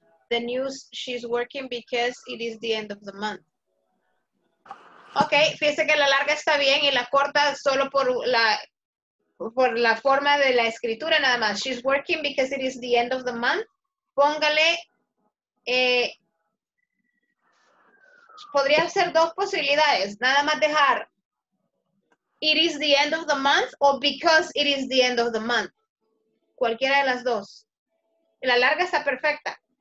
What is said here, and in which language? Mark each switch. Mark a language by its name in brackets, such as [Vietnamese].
[English] The news, she's working because it is the end of the month. [Spanish] Ok, fíjese que la larga está bien y la corta solo por la forma de la escritura nada más. [English] She's working because it is the end of the month. [Spanish] Póngale, podría ser dos posibilidades. Nada más dejar, [English] it is the end of the month o because it is the end of the month. [Spanish] Cualquiera de las dos. La larga está perfecta.